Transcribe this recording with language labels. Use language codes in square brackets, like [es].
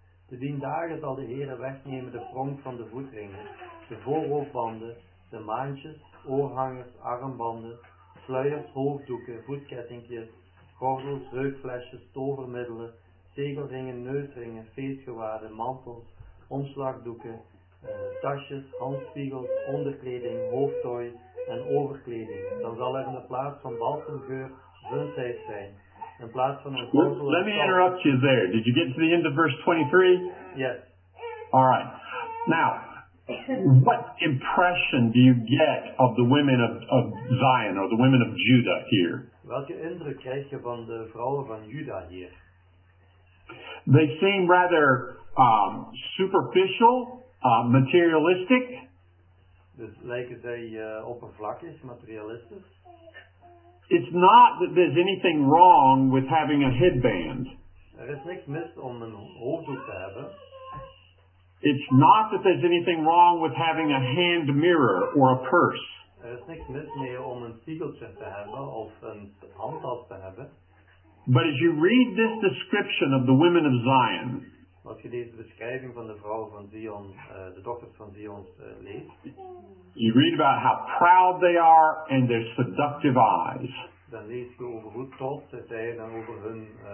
[nl] De dien dagen zal de Heere wegnemen de pronk van de voetringen, de voorhoofdbanden, de maantjes, oorhangers, armbanden, sluiers, hoofddoeken, voetkettingjes, gordels, reukflesjes, tovermiddelen, zegelringen, neusringen, feestgewaden, mantels, omslagdoeken, tasjes, handspiegels, onderkleding, hoofdtooi en overkleding. Dan zal zal er in de plaats van balsemgeur zuntheid zijn. In plaats van een [en] let me interrupt you there. Did you get to the end of verse 23? Yes. All right. Now, what impression do you get of the women of Zion or the women of Judah here? [nl] Welke indruk krijg je van de vrouwen van Juda hier? [en] They seem rather superficial, materialistic. [nl] Dus lijken zij oppervlakkig, materialistisch? [en] It's not that there's anything wrong with having a headband. [nl] Er is niks mis om een hoofddoek te hebben. [en] It's not that there's anything wrong with having a hand mirror or a purse. [nl] Er is niks mis mee om een spiegeltje te hebben of een handtas te hebben. [en] But as you read this description of the women of Zion, [nl] als je deze beschrijving van de vrouwen van Zion, de dochters van Zion, leest, [en] you read about how proud they are and their seductive eyes. [nl] Dan lees je over hoe trots ze zijn en over hun